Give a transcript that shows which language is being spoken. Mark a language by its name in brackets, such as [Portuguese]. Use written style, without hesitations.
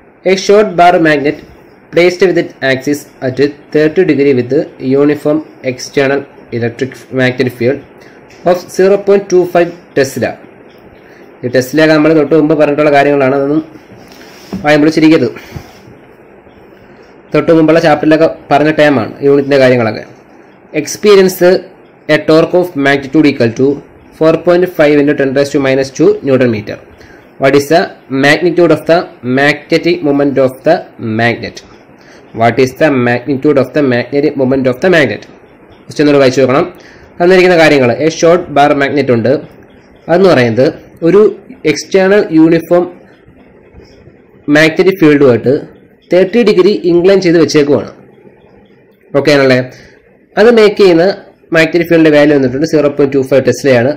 [English] A short bar magnet placed with axis at 30 degrees with uniform external electric magnetic field of 0.25 tesla. [Malayalam] ഈ ടെസ്റ്റിലെ ഒക്കെ നമ്മൾ തൊട്ട് മുമ്പ് പറഞ്ഞിട്ടുള്ള കാര്യങ്ങളാണ്, അതൊന്നും വായമ്പിടിച്ചിരിക്കരുത്. തൊട്ട് മുമ്പുള്ള ചാപ്റ്ററിലൊക്കെ പറഞ്ഞ ടൈമാണ് യൂണിറ്റിന്റെ കാര്യങ്ങളൊക്കെ. Experience [English] a torque of magnitude equal to 4.5 into 10 raised to minus 2 Newton meter. What is the magnitude of the magnetic moment of the magnet? What is the magnitude of the magnetic moment of the magnet? Question number 5. [Malayalam] തന്നിരിക്കുന്ന കാര്യങ്ങൾ, A short bar magnet ഉണ്ട്. അതെന്ന് പറയുന്നത് ഒരു external uniform magnetic ഫീൽഡുമായിട്ട് 30 degree incline ചെയ്ത് വെച്ചേക്കുവാണ്. Okay ആണല്ലേ. അത് make ചെയ്യുന്ന മാഗ്നറ്റിക് ഫീൽഡ് വാല്യൂ വന്നിട്ടുണ്ട് 0.25 ടെസ്ലയാണ്.